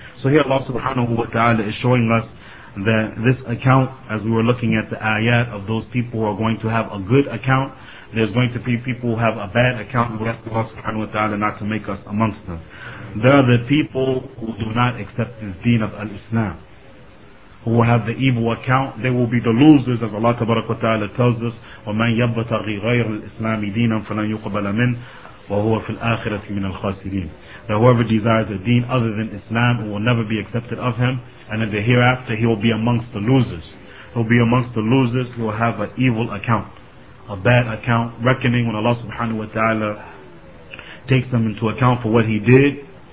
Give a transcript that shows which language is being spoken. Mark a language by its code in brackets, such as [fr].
[en] So here Allah subhanahu wa ta'ala is showing us that this account, as we were looking at the ayat of those people who are going to have a good account, there's going to be people who have a bad account. We ask Allah subhanahu wa ta'ala not to make us amongst them. There are the people who do not accept this deen of al-Islam, who will have the evil account. They will be the losers, as Allah tabarak wa ta'ala tells us, [ar] وَمَنْ يَبْتَغِي غَيْرُ الْإِسْلَامِ دِينًا فَلَنْ يُقْبَلَ مِنْ وَهُوَ فِي الْآخِرَةِ مِنَ الْخَاسِرِينَ. [en] That whoever desires a deen other than Islam, it will never be accepted of him, and in the hereafter he will be amongst the losers. He will be amongst the losers who will have an evil account, a bad account, reckoning when Allah subhanahu wa ta'ala takes them into account for what he did.